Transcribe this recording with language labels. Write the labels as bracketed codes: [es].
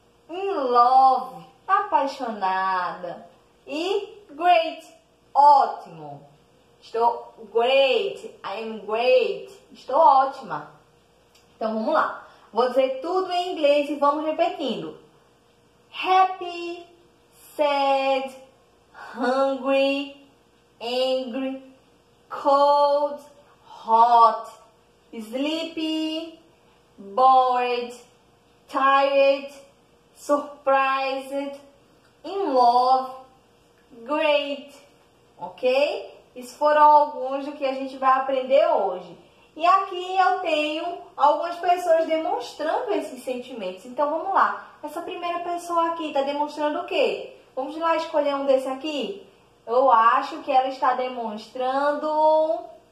[en] In love, [pt] apaixonada. E great, ótimo. Estou great, [en] I'm great. [pt] Estou ótima. Então vamos lá. Vou dizer tudo em inglês e vamos repetindo. [en] Happy, sad, hungry, angry, cold, hot, sleepy, bored, tired, surprised, in love, great. Ok? [pt] Isso foram alguns do que a gente vai aprender hoje. E aqui eu tenho algumas pessoas demonstrando esses sentimentos. Então vamos lá. Essa primeira pessoa aqui está demonstrando o quê? Vamos lá escolher um desse aqui? Eu acho que ela está demonstrando.